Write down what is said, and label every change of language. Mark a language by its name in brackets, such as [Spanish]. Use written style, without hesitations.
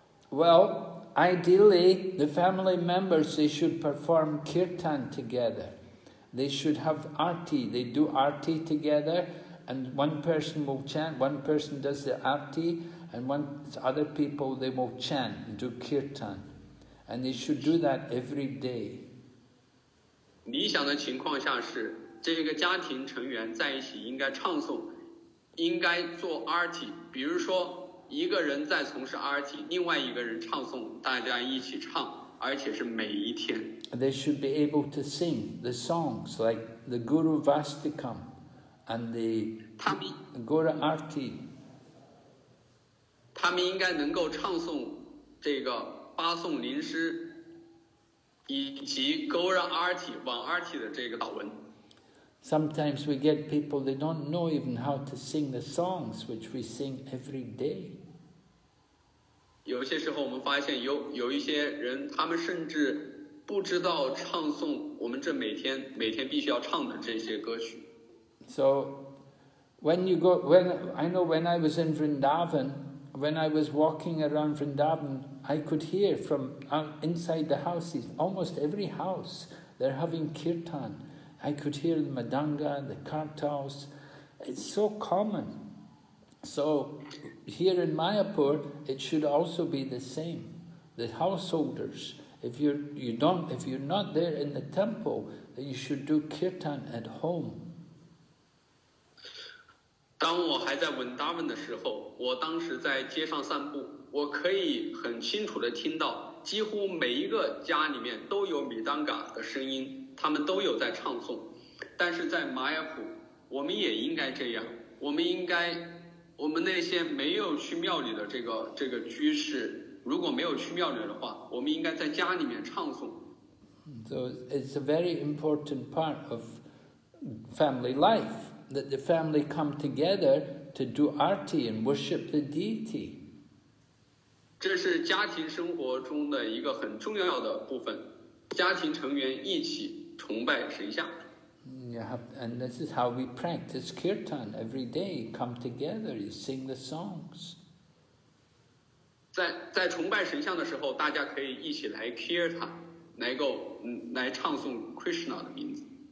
[English] Well, ideally, the family members, they should perform kirtan together. They should have aarti. They do aarti together, and one person will chant, one person does the aarti, and other people, they will chant and do kirtan. And they should do that every day. [Chinese] 理想的情况下是，这个家庭成员在一起应该唱诵，应该做aarti，比如说一个人在从事 RT， 另外一个人唱诵，大家一起唱，而且是每一天。 [English] They should be able to sing the songs like the Guru Vastikam and the Guru RT. [Chinese] 他们应该能够唱诵这个八颂林诗以及 Guru RT 往 RT 的这个祷文。 [English] Sometimes we get people, they don't know even how to sing the songs which we sing every day. [Chinese] 有些时候我们发现有一些人他们甚至不知道唱诵我们这每天必须要唱的这些歌曲。 [English] So, when I was in Vrindavan, when I was walking around Vrindavan, I could hear from inside the houses, almost every house, they're having kirtan. I could hear the madanga, the kartals. It's so common. So here in Mayapur, it should also be the same. The householders, if you're not there in the temple, then you should do kirtan at home. [Chinese] 当我还在文达文的时候，我当时在街上散步，我可以很清楚地听到，几乎每一个家里面都有米当嘎的声音。他们都有在唱诵，但是在玛雅普，我们也应该这样。我们那些没有去庙里的这个居士，如果没有去庙里的话，我们应该在家里面唱诵。 [English] So it's a very important part of family life that the family come together to do arti and worship the deity. [Chinese] 这是家庭生活中的一个很重要的部分，家庭成员一起。崇拜神像。 [English] Yeah, and this is how we practice kirtan every day. Come together, you sing the songs. [Chinese] 在崇拜神像的时候，大家可以一起来 kirtan， 来唱诵 Krishna 的名字。